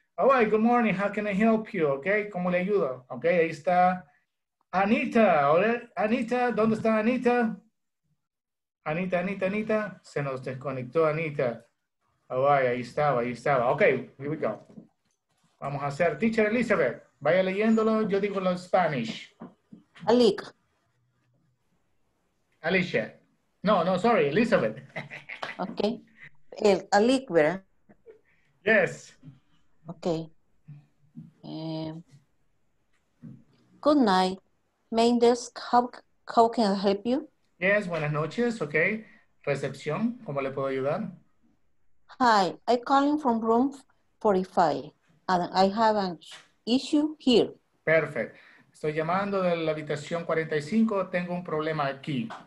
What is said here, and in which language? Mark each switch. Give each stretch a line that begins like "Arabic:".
English: All right, good morning, how can I help you, okay?
Spanish: ¿Cómo le ayudo? Okay, ahí está Anita, hola, Anita, ¿dónde está Anita? Anita, se nos desconectó Anita.
English: All right,
Spanish: ahí estaba.
English: Okay, here we go.
Spanish: Vamos a hacer, teacher Elizabeth, vaya leyéndolo, yo digo lo Spanish. Alic.
English: Alicia. No, sorry, Elizabeth.
Spanish: Okay. Alic, ¿verdad?
English: Yes. Okay. Good night. Main desk, how can I help you?
Spanish: Yes, buenas noches, okay. Recepción, ¿cómo le puedo ayudar?
English: Hi, I'm calling from room 45, and I have an issue here. Perfect.
Spanish: Estoy llamando de la habitación 45, tengo un problema aquí.